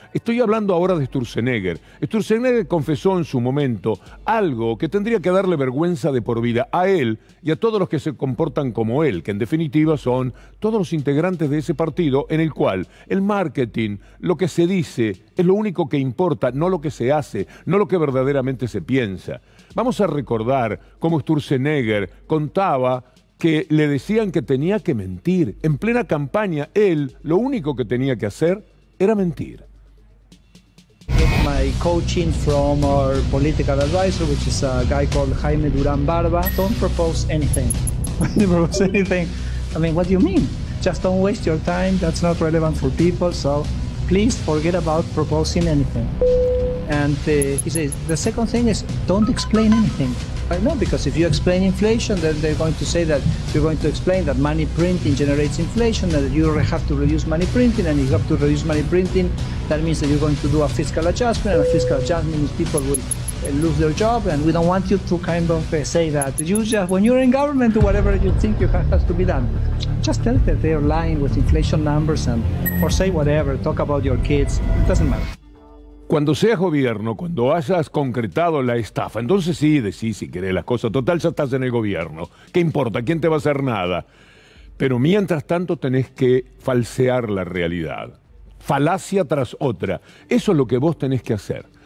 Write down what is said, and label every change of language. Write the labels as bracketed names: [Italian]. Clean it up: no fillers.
[Spanish] Estoy hablando ahora de Sturzenegger. Sturzenegger confesó en su momento algo que tendría que darle vergüenza de por vida a él y a todos los que se comportan como él, que en definitiva son todos los integrantes de ese partido en el cual el marketing, lo que se dice, es lo único que importa, no lo que se hace, no lo que verdaderamente se piensa. Vamos a recordar cómo Sturzenegger contaba que le decían que tenía que mentir. En plena campaña, él lo único que tenía que hacer era mentir. [English] My coaching from our political advisor, which is a guy called Jaime Durán Barba. Don't propose anything. Don't propose anything. I mean, what do you mean? Just don't waste your time. That's not relevant for people. So please forget about proposing anything. And he says, the second thing is don't explain anything. No, because if you explain inflation, then they're going to say that you're going to explain that money printing generates inflation, that you have to reduce money printing, and if you have to reduce money printing, that means that you're going to do a fiscal adjustment, and a fiscal adjustment means people will lose their job, and we don't want you to kind of say that. You just, when you're in government, do whatever you think you has to be done. Just tell that they're lying with inflation numbers, and or say whatever, talk about your kids, it doesn't matter. [Spanish] Cuando seas gobierno, cuando hayas concretado la estafa, entonces sí, decís si querés las cosas. Total, ya estás en el gobierno. ¿Qué importa? ¿Quién te va a hacer nada? Pero mientras tanto tenés que falsear la realidad. Falacia tras otra. Eso es lo que vos tenés que hacer.